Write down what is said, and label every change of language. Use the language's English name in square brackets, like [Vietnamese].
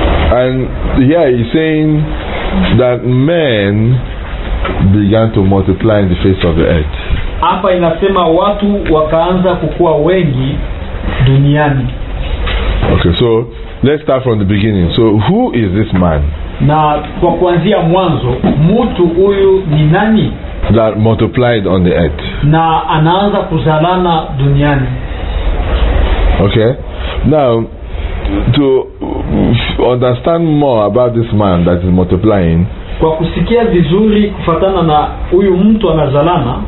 [English] And yeah, he's saying that men began to multiply in the face of the earth. [Swahili] Hapa inasema watu wakaanza kukua wengi duniani. [English] Okay, so let's start from the beginning. So who is this man? [Swahili] Na kwa kuanzia mwanzo, mtu huyu ni nani? [English] That multiplied on the earth. [Swahili] Na anaanza kuzalana duniani. [English] Okay. Now to understand more about this man that is multiplying, [Swahili] kwa kusikia vizuri kufatana na huyu mtu anazalana,